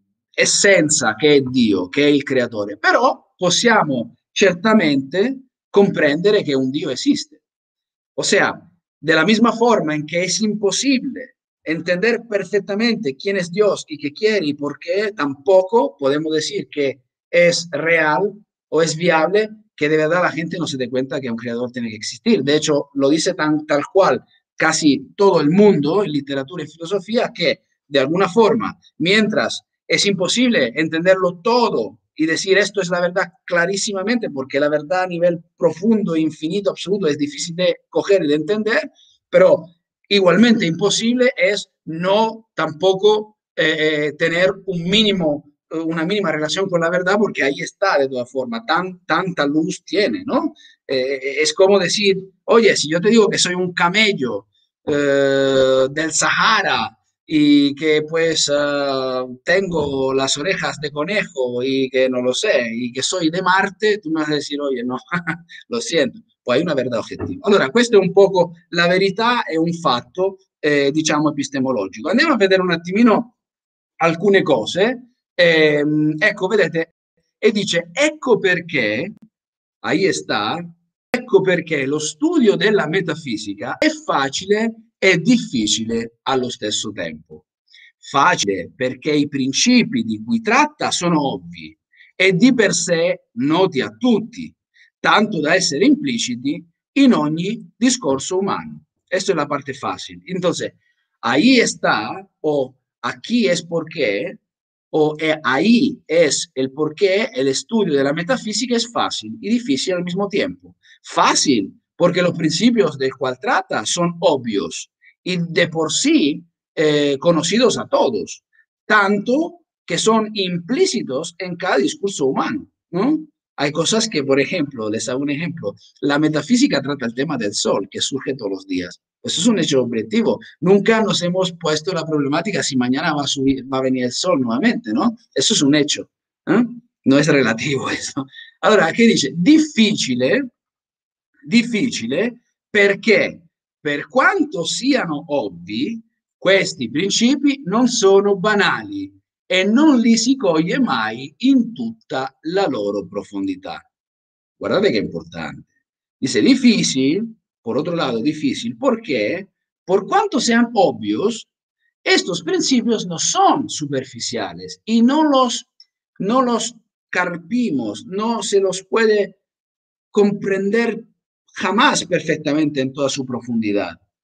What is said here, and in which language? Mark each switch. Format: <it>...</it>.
<it>essenza che è Dio, che è il creatore, però possiamo certamente comprendere che un Dio esiste.</it> <es>O sea, de la misma forma en que es imposible entender perfectamente quién es Dios y qué quiere y por qué, tampoco podemos decir que es real o es viable que de verdad la gente no se dé cuenta que un creador tiene que existir. De hecho, lo dice tal cual casi todo el mundo en literatura y filosofía, que de alguna forma, mientras es imposible entenderlo todo, y decir esto es la verdad clarísimamente, porque la verdad a nivel profundo, infinito, absoluto, es difícil de coger y de entender, pero igualmente imposible es no tampoco tener un mínimo, una mínima relación con la verdad, porque ahí está de todas formas, tanta luz tiene, ¿no? Es como decir, oye, si yo te digo que soy un camello del Sahara, y que pues tengo las orejas de conejo y que no lo sé, y que soy de Marte, tú me vas a decir, oye, no, lo siento, pues hay una verdad objetiva.</es> <it>Allora, questo è un poco la verità, è un fatto, diciamo, epistemologico. Andiamo a vedere un attimino alcune cose. Ecco, vedete, e dice, ecco perché,</it> <es>ahí está,</es> <it>ecco perché lo studio della metafisica è facile. È difficile allo stesso tempo. Facile perché i principi di cui tratta sono ovvi e di per sé noti a tutti, tanto da essere impliciti in ogni discorso umano. Questa è la parte facile.</it> <es>Entonces, ahí está, o aquí es porque, o ahí es el porqué, el estudio de la metafísica es fácil y difícil al mismo tiempo. Fácil porque los principios del cual trata son obvios y de por sí conocidos a todos, tanto que son implícitos en cada discurso humano, ¿no? Hay cosas que, por ejemplo, les hago un ejemplo, la metafísica trata el tema del sol que surge todos los días. Eso es un hecho objetivo. Nunca nos hemos puesto la problemática si mañana va a venir el sol nuevamente, ¿no? Eso es un hecho, No es relativo eso. Ahora, ¿qué dice? Difícil, difícil, ¿por qué?</es> <it>Per quanto siano ovvi, questi principi non sono banali e non li si coglie mai in tutta la loro profondità. Guardate che importante.</it> <es>Dice difficile, por otro lado difficile,</es> <it>perché per quanto</it> <es>sean obvios, estos principios no son superficiales y no los carpimos, no se los puede comprender jamás perfectamente en toda su profundidad.</es>